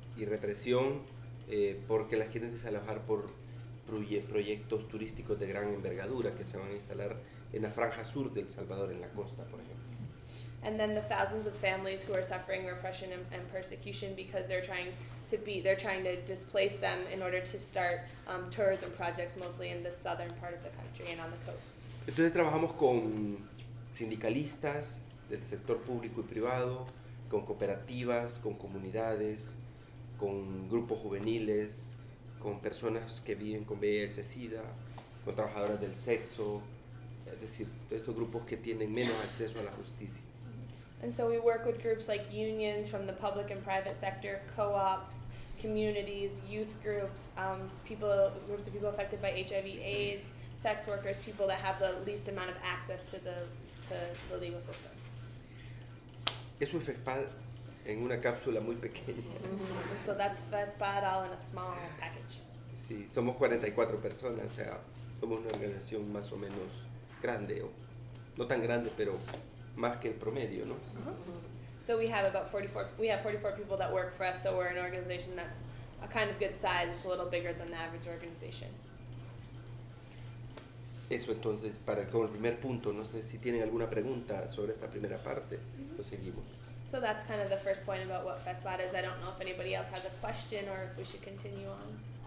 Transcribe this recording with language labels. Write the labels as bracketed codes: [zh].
[es] depresión porque las quieren desalojar por proyectos turísticos de gran envergadura que se van a instalar en la franja sur del Salvador, en la costa, por ejemplo. [en] And then the thousands of families who are suffering repression and persecution because they're trying to displace them in order to start tourism projects mostly in the southern part of the country and on the coast. [es] Entonces trabajamos con sindicalistas del sector público y privado, con cooperativas, con comunidades, con grupos juveniles, con personas que viven con VIH/SIDA, con trabajadoras del sexo, es decir, estos grupos que tienen menos acceso a la justicia. [en] And so we work with groups like unions from the public and private sector, co-ops, communities, youth groups, groups of people affected by HIV/AIDS, sex workers, people that have the least amount of access to the legal system. [es] Es un FESPAD en una cápsula muy pequeña. [en] And so that's FESPAD all in a small package. [es] Sí, somos 44 personas, o sea, somos una organización más o menos grande, o no tan grande, pero más que el promedio, ¿no? [en] So we have 44 people that work for us, so we're an organization that's a kind of good size. It's a little bigger than the average organization. [es] Eso entonces para como el primer punto, no sé si tienen alguna pregunta sobre esta primera parte. Mm-hmm. Lo seguimos. [en] So that's kind of the first point about what FESPAD is. I don't know if anybody else has a question or if we should continue on.